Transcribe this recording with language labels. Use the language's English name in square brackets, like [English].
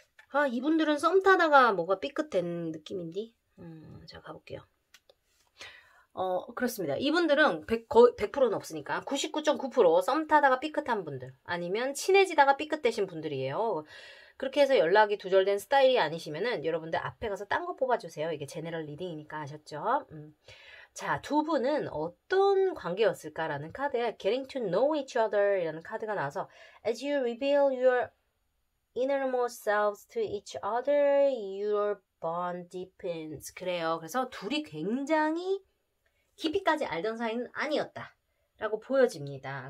[Korean] 아, 이분들은 썸 타다가 뭐가 삐끗된 느낌인디? 자, 가볼게요. 그렇습니다. 이분들은 100%는 없으니까 99.9% 썸 타다가 삐끗한 분들 아니면 친해지다가 삐끗되신 분들이에요. 그렇게 해서 연락이 두절된 스타일이 아니시면은 여러분들 앞에 가서 딴 거 뽑아주세요. 이게 제네럴 리딩이니까 아셨죠? 자, 두 분은 어떤 관계였을까라는 카드에 [English] Getting to know each other [Korean] 이라는 카드가 나와서 [English] As you reveal your innermost selves to each other, your bond deepens. [Korean] 그래요. 그래서 둘이 굉장히 깊이까지 알던 사이는 아니었다 라고 보여집니다.